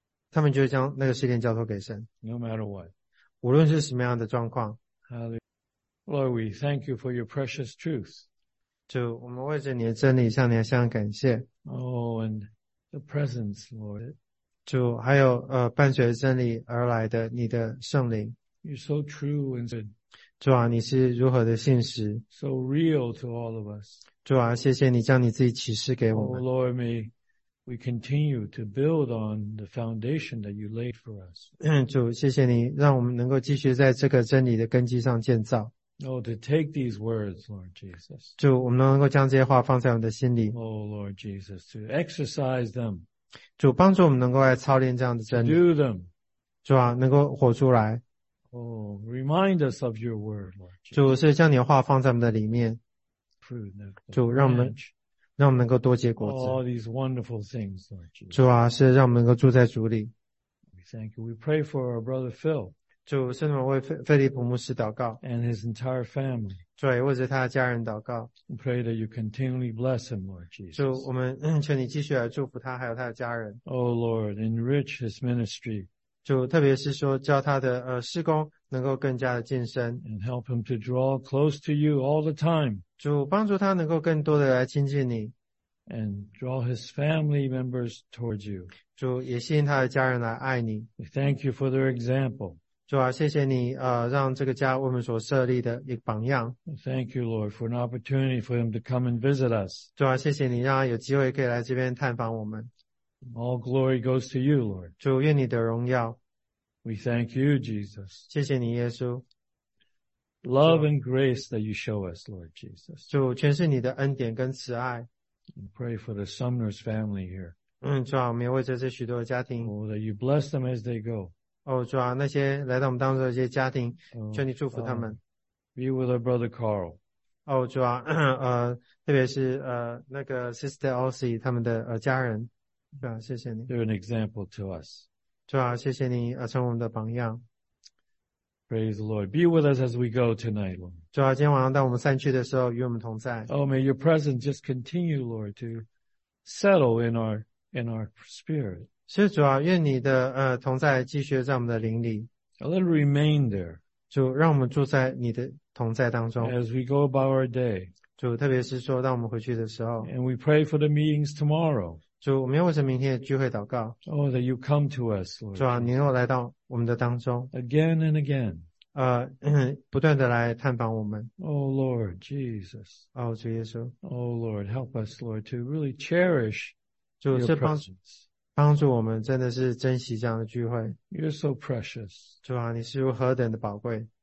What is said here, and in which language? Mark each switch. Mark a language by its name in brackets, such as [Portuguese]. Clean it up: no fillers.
[Chinese] 他们就是将那个试炼交托给神。 [English] No matter what. [Chinese] 无论是什么样的状况。 [English] Lord, we thank you for your precious truth. [Chinese] 主，我们为着你的真理向你献上感谢。 [English] Oh, and the presence, Lord. [Chinese] 主，还有伴随真理而来的你的圣灵。 [English] You're so true and good. [Chinese] 主啊，你是如何的信实。 [English] So real to all of us. [Chinese] 主啊，谢谢你将你自己启示给我们。 [English] Oh, Lord, may we continue to build on the foundation that you laid for us. [Chinese] 主，谢谢你让我们能够继续在这个真理的根基上建造。 [English] Oh, to take these words, Lord Jesus. [Chinese] 主，我们能够将这些话放在我们的心里。 [English] Oh, Lord Jesus, to exercise them. [Chinese] 主，帮助我们能够来操练这样的真理。 [English] Do them. [Chinese] 主啊，能够活出来。 [English] Oh, remind us of your word, Lord Jesus. [Chinese] 主，是将你的话放在我们的里面。主，让我们能够多结果子。 [English] All these wonderful things, Lord Jesus. [Chinese] 主啊，是让我们能够住在主里。 [English] We thank you. We pray for our brother Phil. [Chinese] 主，圣母为菲利普牧师祷告。 [English] And his entire family. [Chinese] 主，也为着他的家人祷告。 [English] We pray that you continually bless him, Lord Jesus. [Chinese] 主，我们求你继续来祝福他还有他的家人。 [English] Oh Lord, enrich his ministry. [Chinese] 主，特别是说叫他的事工能够更加的进深。 [English] And help him to draw close to you all the time. [Chinese] 主，帮助他能够更多的来亲近你。 [English] And draw his family members towards you. [Chinese] 主，也吸引他的家人来爱你。 [English] We thank you for their example. [Chinese] 主啊，谢谢你让这个家为我们所设立的一个榜样。 [English] Thank you, Lord, for an opportunity for him to come and visit us. [Chinese] 主啊，谢谢你让他有机会可以来这边探访我们。 [English] All glory goes to you, Lord. [Chinese] 主，愿你的荣耀。 [English] We thank you, Jesus. [Chinese] 谢谢你，耶稣。 [English] Love and grace that you show us, Lord Jesus. [Chinese] 主，全是你的恩典跟慈爱。 [English] And pray for the Sumner's family here. [Chinese] 主啊，我们也为着这许多的家庭。 [English] Oh, that you bless them as they go. [Chinese] 哦，主啊，那些来到我们当中的这些家庭，求你祝福他们。 [English] Be with our brother Carl. [Chinese] 哦，主啊，特别是那个 Sister Elsie 他们的家人。主啊，谢谢你。 [English] They're an example to us. [Chinese] 主啊，谢谢你成我们的榜样。 [English] Praise the Lord. Be with us as we go tonight, Lord. [Chinese] 主啊，今天晚上当我们散去的时候，与我们同在。 [English] Oh, may your presence just continue, Lord, to settle in our spirit. [Chinese] 是主啊，愿你的同在继续在我们的灵里。 [English] Let it remain there. [Chinese] 主，让我们住在你的同在当中。 [English] As we go about our day. [Chinese] 主，特别是说当我们回去的时候。 [English] And we pray for the meetings tomorrow. [Chinese] 主，我们要为着明天的聚会祷告。 [English] Oh, that you come to us, Lord. [Chinese] 主啊，你又来到我们的当中。 [English] Again and again. [Chinese] 不断地来探访我们。 [English] Oh, Lord, Jesus. [Chinese] 哦，主耶稣。 [English] Oh, Lord, help us, Lord, to really cherish your presence. [Chinese] 帮助我们真的是珍惜这样的聚会。 [English] You're so precious. [Chinese] 主啊，你是如何等的宝贵。